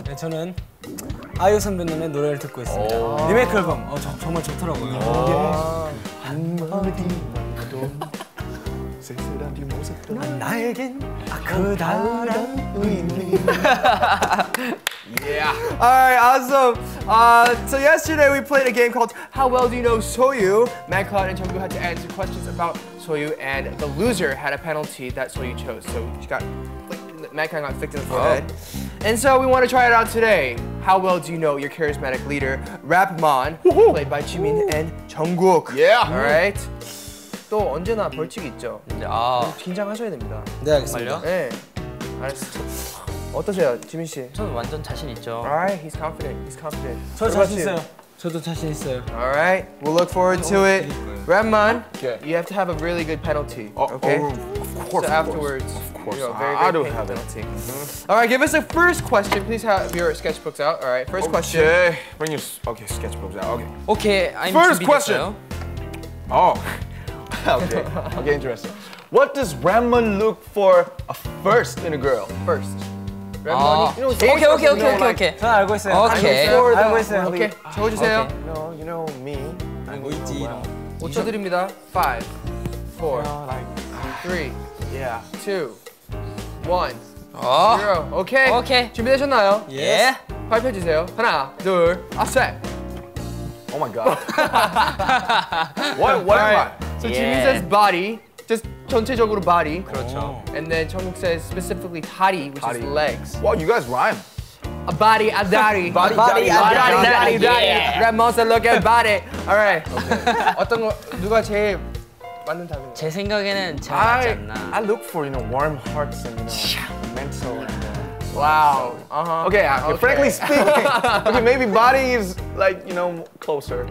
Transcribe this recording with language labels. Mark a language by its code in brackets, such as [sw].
[ko] 네, 저는 아이유 선배님의 노래를 듣고 있습니다. 리메이크 앨범 정말 좋더라고요. 한마디만도 쓸쓸한 뒷모습도 나에겐 커다란 의미 [en] Yeah. All right, awesome. So yesterday we played a game called How Well Do You Know Soyu? Madcloud and Jungkook had to answer questions about Soyu and the loser had a penalty that Soyu chose. So she got, Madcloud got flicked in the forehead. And so we want to try it out today. How well do you know your charismatic leader, Rapmon, played by Jimin and Jungkook? Yeah. [ko] All right. 또 언제나 벌칙이 있죠. 아. 긴장하셔야 됩니다. 네, 알겠습니다. 네. 알았어. 어떠세요, 지민 씨? 저는 완전 자신 있죠. [en] Alright, he's confident. He's confident. [ko] 저 자신 있어요. 저도 자신 있어요. [en] Alright, we'll look forward to it. Rapmon, you have to have a really good penalty. Okay. Of course. So afterwards, I don't have a penalty. Mm-hmm. Alright, give us a first question. Please have your sketchbooks out. Alright, first question. Okay. Bring your sketchbooks out. Okay. Okay. First question. Oh. Okay. Okay. Interesting. What does Rapmon look for a first in a girl? First. [ko] 오케이 오케이 오케이 오케이 오케이 저 알고 있어요 오케이 알고 있어요 오케이 적어주세요 [en] No, you know me [ko] 하는 거 있지. 5초 드립니다. 5, 4, 3, 2, 1, 0. 오케이. 준비되셨나요? 예. Yes. 발표해 주세요. 하나, 둘, 셋. [en] Oh my god. what am I? So yeah. Jimmy says body. Just 전체적으로 body. [ko] 그렇죠. [en] And then 정국 says specifically 다리, which 다리. Is legs. Wow, you guys rhyme. A body, a daddy. Body, body, body, body, body, body, body, body. Grandma's a look at body. All right. Okay. [ko] 어떤 거 누가 제일 맞는 답인가? 제 생각에는 잘 맞지 않나. [en] I look for, you know, warm hearts and, you know, mental. Wow. Uh-huh. Okay, okay. Okay. Frankly speaking, okay, maybe body is like, you know, closer.